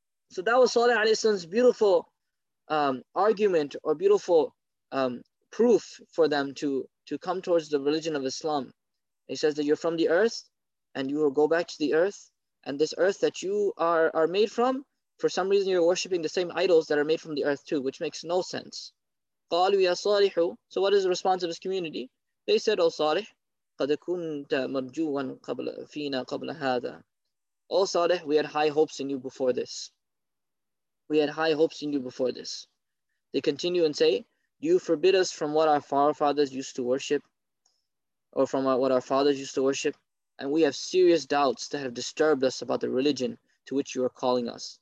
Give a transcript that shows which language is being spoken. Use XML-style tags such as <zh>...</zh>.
<en>So that was Salih alayhi salam's beautiful argument or beautiful proof for them to come towards the religion of Islam. He says that you're from the earth and you will go back to the earth, and this earth that you are made from, for some reason you're worshipping the same idols that are made from the earth too, which makes no sense.</en> <ar>قَالُوا يَا صَالِحُ.</ar> <en>So what is the response of his community? They said, O Salih,</en> <ar>قَدْ كُنْتَ مَرْجُوًا فِينَا قَبْلَ هَذَا.</ar> <en>O Salih, we had high hopes in you before this. We had high hopes in you before this. They continue and say, do you forbid us from what our forefathers used to worship? Or from what our fathers used to worship? And we have serious doubts that have disturbed us about the religion to which you are calling us.</en>